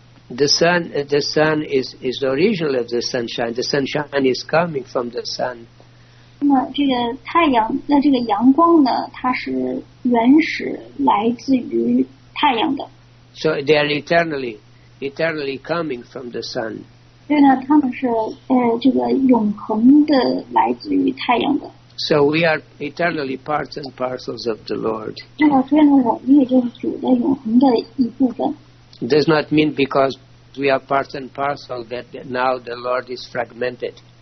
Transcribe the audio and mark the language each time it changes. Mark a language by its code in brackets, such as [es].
[en] The sun is the original of the sunshine. The sunshine is coming from the sun. [zh] 那么这个太阳，那这个阳光呢？它是原始来自于太阳的。 [en] So they are eternally coming from the sun. [zh] 所以呢，他们是这个永恒的来自于太阳的。 [en] So we are eternally parts and parcels of the Lord. Does not mean because we are parts and parcels that now the Lord is fragmented.